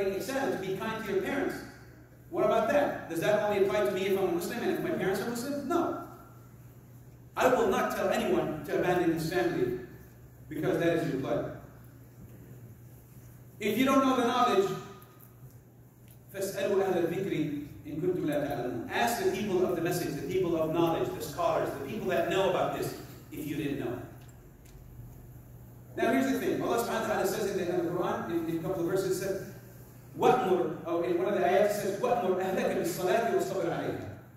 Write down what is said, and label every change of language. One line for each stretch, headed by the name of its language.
English: To be kind to your parents. What about that? Does that only apply to me if I'm a Muslim and if my parents are Muslim? No. I will not tell anyone to abandon his family because that is your blood. If you don't know the knowledge,
Arabic: فَاسْأَلُوا أَهْلَ الذِّكْرِ إِن كُنْتُمْ لَا تَعْلَمُونَ.
English: Ask the people of the message, the people of knowledge, the scholars, the people that know about this, if you didn't know. Now here's the thing. Allah subhanahu wa ta'ala says in the Quran, in a couple of verses, said, وَأْمُرْ, in one of the ayahs, says,
Arabic: وَأْمُرْ أَهْلَكَ بِالصَّلَاةِ وَالصَّبْرِ عَلَيْهَا.